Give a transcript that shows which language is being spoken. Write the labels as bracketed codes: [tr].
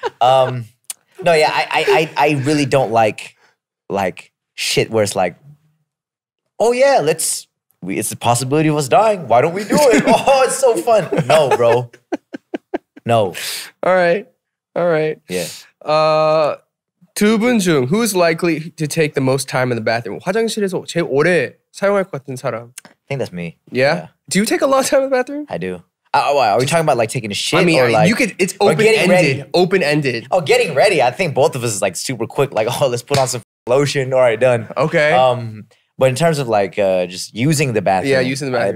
[en] I really don't like shit where it's like, oh yeah, it's the possibility of us dying. Why don't we do it? Oh, it's so fun. No, bro. No. All right. Yeah. [ko] 두 분 중, [en] who is likely to take the most time in the bathroom? [ko] 화장실에서 제일 오래 사용할 것 같은 사람. [en] I think that's me. Yeah? Do you take a lot of time in the bathroom? I do. Are we talking about like taking a shit? I mean, or like, you could. It's open-ended. Open-ended. Oh, getting ready. I think both of us is like super quick. Like, oh, let's put on some lotion. All right, done. Okay. But in terms of like just using the bathroom. Yeah, using the bathroom.